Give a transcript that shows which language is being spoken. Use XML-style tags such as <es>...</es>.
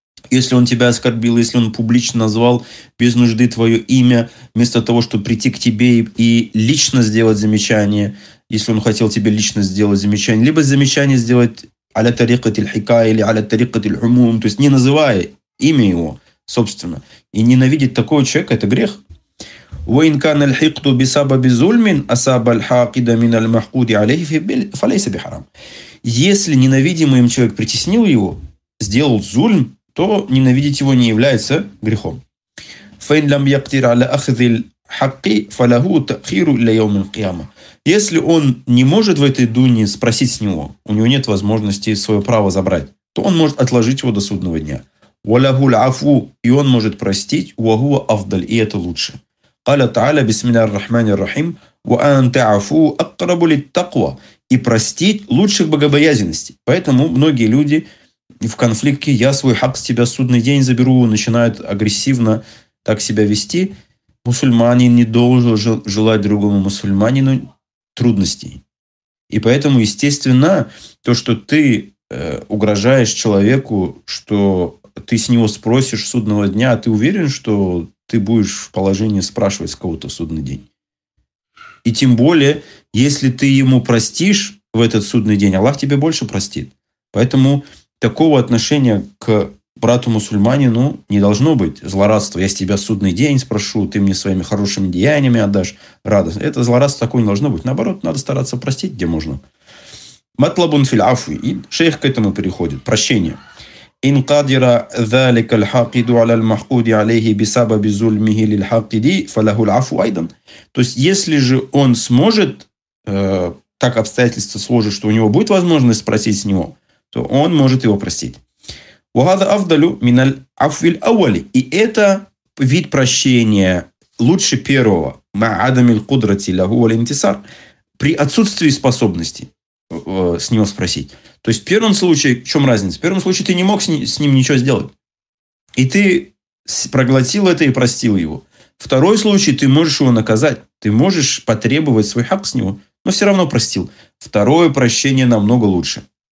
<ru>Если он тебя оскорбил, если он публично назвал без нужды твое имя, вместо того, чтобы прийти к тебе и лично сделать замечание, если он хотел тебе лично сделать замечание, либо замечание сделать аля тарикати аль-хикая или аля тарикати аль-умум, то есть не называя имя его, собственно. И ненавидеть такого человека – это грех.</ru> <ar>وإن كان الحقد بسبب ظلم أصاب الحاقد من المحقود عليه فليس بحرام.</ar> <ru>Если ненавидимый им человек притеснил его, сделал зульм, то ненавидеть его не является грехом.</ru> <ar>فإن لم يقدر على أخذ الحق فله تأخير إلى يوم القيامة.</ar> <ru>Если он не может в этой дуне спросить с него, у него нет возможности свое право забрать, то он может отложить его до судного дня.</ru> <ar>وله العفو,</ar> <ru>и он может простить,</ru> <ar>وهو أفضل,</ar> <ru>и это лучше.</ru> <ar>قال تعالى بسم الله الرحمن الرحيم وأن تعفو أقرب للتقوى.</ar> <ru>И простить лучше к богобоязненности. Поэтому многие люди в конфликте, я свой хак с тебя судный день заберу, начинают агрессивно так себя вести. Мусульманин не должен желать другому мусульманину трудностей. И поэтому, естественно, то, что ты угрожаешь человеку, что ты с него спросишь судного дня, ты уверен, что ты будешь в положении спрашивать с кого-то в судный день. И тем более, если ты ему простишь в этот судный день, Аллах тебе больше простит. Поэтому такого отношения к брату-мусульманину не должно быть. Злорадство. Я с тебя судный день спрошу, ты мне своими хорошими деяниями отдашь радость. Это злорадство такое не должно быть. Наоборот, надо стараться простить, где можно. Матлабун филь афви. И шейх к этому переходит. Прощение.</ru> <ar>إن قادر ذلك الحاقد على المحقود عليه بسبب ظلمه للحاقد فله العفو أيضا.</ar> <ru>То есть, если же он сможет, так обстоятельства сложат, что у него будет возможность спросить с него, то он может его простить.</ru> <ar>وهذا أفضل من العفو الأول.</ar> <ru>И это вид прощения лучше первого.</ru> <ar>مع عدم القدرة له والانتصار.</ar> <ru>При отсутствии способности с него спросить. То есть, в первом случае, в чем разница? В первом случае ты не мог с ним ничего сделать. И ты проглотил это и простил его. Второй случай, ты можешь его наказать. Ты можешь потребовать свой хак с него, но все равно простил. Второе прощение намного лучше.</ru>